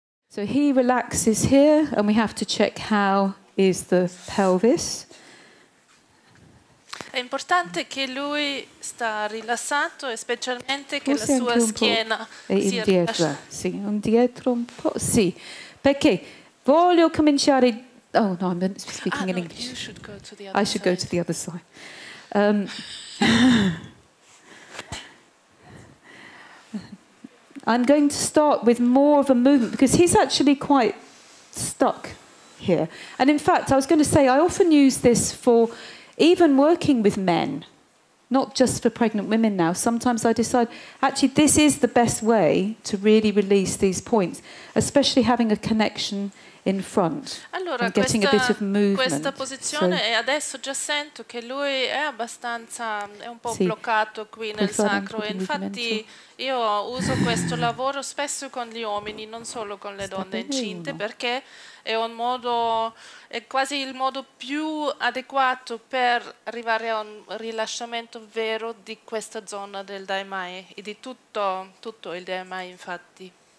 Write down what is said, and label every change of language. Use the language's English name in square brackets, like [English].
[English] So he relaxes here, and we have to check how is the pelvis. [Italian] È importante che lui sta rilassato, e specialmente che la sua schiena sia indietro. Sì, indietro un po'. Sì, perché voglio cominciare. [English] Oh no, I'm speaking in English. You should go to the other I should side. Go to the other side. I'm going to start with more of a movement because he's actually quite stuck here. And in fact, I was going to say, I often use this for even working with men, not just for pregnant women now. Sometimes I decide, actually, this is the best way to really release these points, especially having a connection in front, [Italian] allora, [English] and getting [Italian] questa, [English] a bit of movement. [Italian] Questa posizione, so, e adesso già sento che lui è abbastanza, è un po' sì, bloccato qui nel sacro. E infatti io uso questo lavoro spesso con gli uomini, non solo con le donne incinte, perché è un modo, è quasi il modo più adeguato per arrivare a un rilasciamento vero di questa zona del Daimai e di tutto il Daimai, infatti.